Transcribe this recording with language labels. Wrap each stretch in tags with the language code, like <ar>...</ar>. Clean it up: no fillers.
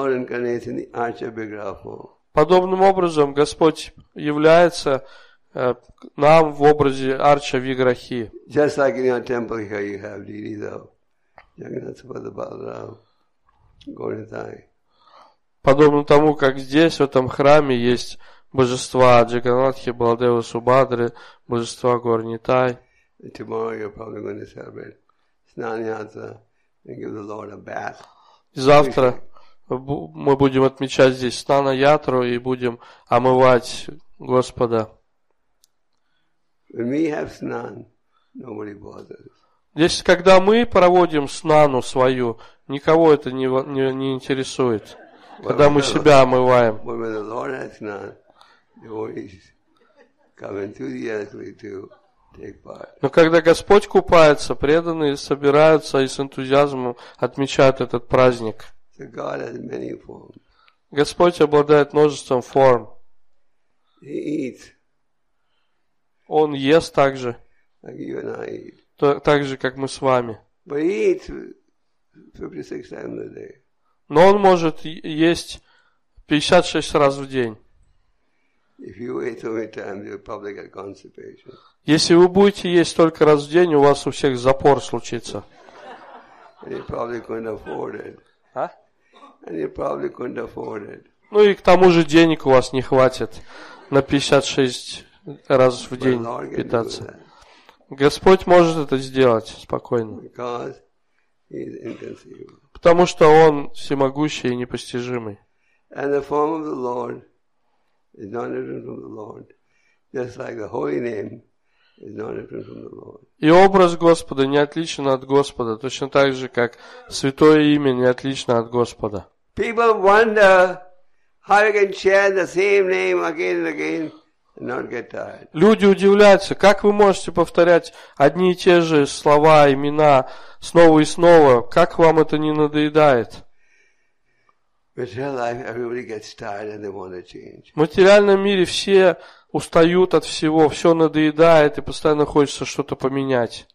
<ru>Подобным образом Господь является нам в образе Арча Виграхи.</ru> <en>Just like in your temple here you have Дидидав, Джаганнатха Пада Баларам, Горитай.</en> <ru>Подобно тому, как здесь, в этом храме, есть божества Джаганнатхи, Баладева Субадры, божества Горнитай.</ru> <en>Tomorrow you're probably going to celebrate Snanyatra and give the Lord a bath.</en> <ru>Завтра мы будем отмечать здесь Снана-Ятру и будем омывать Господа.</ru> <en>When we have snan, nobody bothers.</en> <ru>Если когда мы проводим Снану свою, никого это не интересует.</ru> <en>When</en> <ru>когда мы себя омываем.</ru> <en>When the Lord has snan, devotees come enthusiastically to take part.</en> <ru>Но когда Господь купается, преданные собираются и с энтузиазмом отмечают этот праздник.</ru> <en>So God has many forms.</en> <ru>Господь обладает множеством форм.</ru> <en>He eats.</en> <ru>Он ест также.</ru> <en>Like you and I eat.</en> <ru>Так же, как мы с вами.</ru> <en>But he eats 56 times a day.</en> <ru>Но он может есть 56 раз в день.</ru> <en>If you eat only time, you'll probably get constipation.</en> <ru>Если вы будете есть только раз в день, у вас у всех запор случится.</ru> <en>And you probably couldn't afford it.</en> <ru>А?</ru> <en>And you probably couldn't afford it.</en> <ru>Ну и к тому же денег у вас не хватит на 56 раз в день питаться. Господь может это сделать спокойно.</ru> <en>Because he's inconceivable.</en> <ru>Потому что он всемогущий и непостижимый.</ru> <en>And the form of the Lord. It's not different from the Lord, just like the holy name is not different from the Lord.</en> <ru>И образ Господа не отличен от Господа, точно так же, как святое имя не отлично от Господа.</ru> <en>People wonder how you can chant the same name again and again and not get tired.</en> <ru>Люди удивляются, как вы можете повторять одни и те же слова, имена снова и снова, как вам это не надоедает? В материальном мире все устают от всего, все надоедает, и постоянно хочется что-то поменять.</ru>